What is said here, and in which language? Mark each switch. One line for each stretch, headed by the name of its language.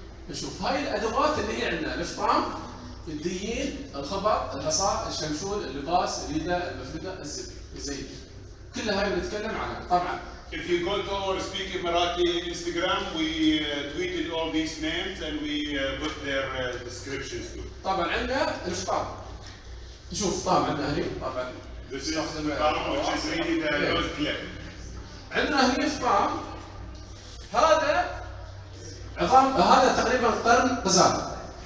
Arabic: نشوف هاي الادوات اللي هي عندنا الفطام، الديين، الخبر، الحصار، الشمشول، اللباس، اليده، المفلقه، الزيت. كل هاي بنتكلم عنها طبعا.
English: If you go to our Speak Emirati Instagram, we tweeted all these names and we put their descriptions too.
Arabic: طبعا عندنا الفطام. نشوف الفطام عندنا هني طبعا.
English: This is the farm which is really the nose clip.
Arabic: عندنا هني الفطام. هذا عظام، هذا تقريبا قرن قزام.